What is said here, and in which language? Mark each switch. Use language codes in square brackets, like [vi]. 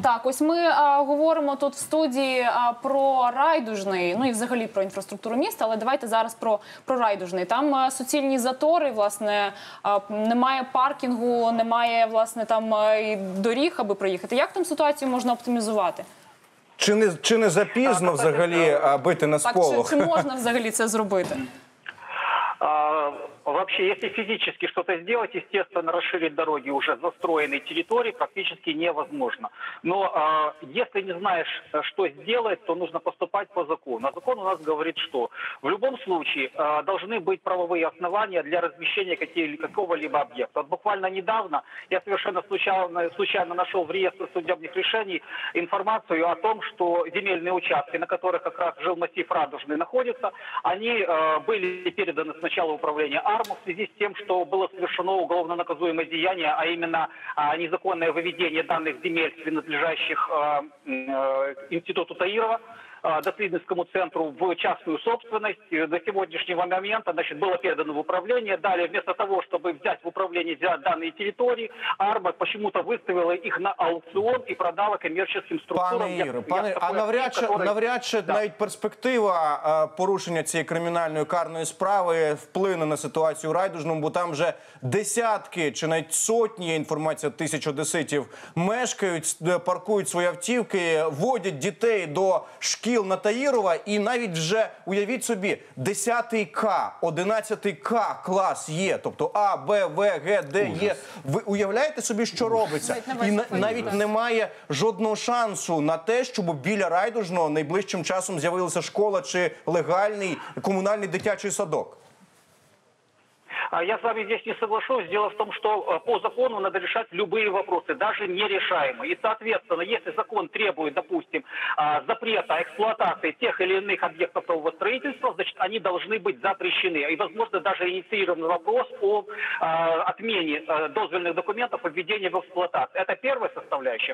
[uk] Так, ось ми говоримо тут в студії про райдужний, ну і взагалі про інфраструктуру міста, але давайте зараз про райдужний. Там суцільні затори, власне, немає паркінгу, немає, власне, там і доріг, аби проїхати. Як там ситуацію можна оптимізувати? Чи не запізно взагалі бити на сполох? Так, чи можна взагалі це зробити? [ru] Вообще, если физически что-то сделать, естественно, расширить дороги уже застроенной территории практически невозможно. Но если не знаешь, что сделать, то нужно поступать по закону. А закон у нас говорит, что в любом случае должны быть правовые основания для размещения какого-либо объекта. Вот буквально недавно я совершенно случайно нашел в реестре судебных решений информацию о том, что земельные участки, на которых как раз жил массив Радужный, находятся, они были переданы сначала управление АРМУ в связи с тем, что было совершено уголовно наказуемое деяние, а именно незаконное выведение данных земель, принадлежащих институту Таирова, доследовательскому центру, в частную собственность. До сегодняшнего момента, значит, было передано в управление. Далее, вместо того, чтобы взять в управление данные территории, АРМА почему-то выставила их на аукцион и продала коммерческим структурам. [uk] Пане Іре, навряд чи навіть перспектива порушення цієї кримінальної карної справи вплине на ситуацію у Райдужному, бо там вже десятки чи навіть сотні, інформація, тисяч одеситів мешкають, паркують свої автівки, водять дітей до шкіл на Таїрова, і навіть вже, уявіть собі, 10К, 11К клас є, тобто А, Б, В, Г, Д є. Ви уявляєте собі, що робиться? І навіть немає жодного шансу на те, щоб біля Райдужного найближчим часом з'явилася школа чи легальний комунальний дитячий садок. [ru] Я с вами здесь не соглашусь. Дело в том, что по закону надо решать любые вопросы, даже нерешаемые. И, соответственно, если закон требует, допустим, запрета эксплуатации тех или иных объектов нового строительства, значит, они должны быть запрещены. И, возможно, даже инициирован вопрос о отмене дозвольных документов о введении в эксплуатацию. Это первая составляющая.